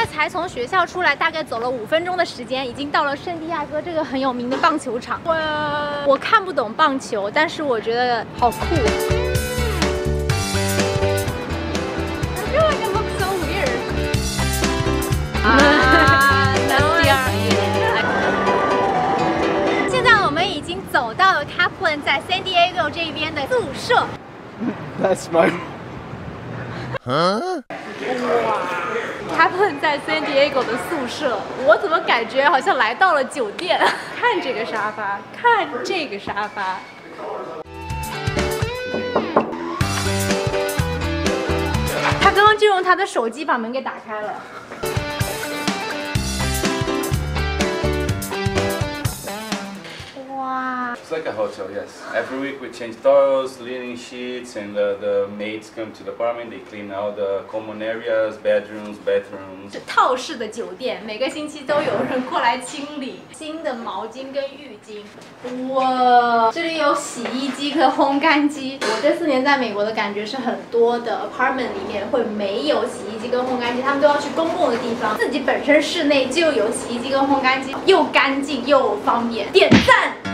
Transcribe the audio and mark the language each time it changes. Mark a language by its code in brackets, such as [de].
[zh] 从学校出来大概走了五分钟的时间，已经到了圣地亚哥这个很有名的棒球场。我看不懂棒球，但是我觉得好酷。 [en] I feel like I look so weird. Ah, that's the [zh] 现在我们已经走到了 Kaplan 在 San Diego 这边的宿舍。 [en] That's my. Huh? Wow. [zh] Kaplan 在 San Diego 的宿舍，我怎么感觉好像来到了酒店？看这个沙发，看这个沙发。他刚刚就用他的手机把门给打开了。 [en] It's like a hotel, yes. Every week we change towels, linen sheets, and the maids come to the apartment. They clean out the common areas, bedrooms. [zh] 是套式的酒店，每个星期都有人过来清理新的毛巾跟浴巾。哇，这里有洗衣机和烘干机。我这四年在美国的感觉是，很多的 apartment 里面会没有洗衣机跟烘干机，他们都要去公共的地方。自己本身室内就有洗衣机跟烘干机，又干净又方便，点赞。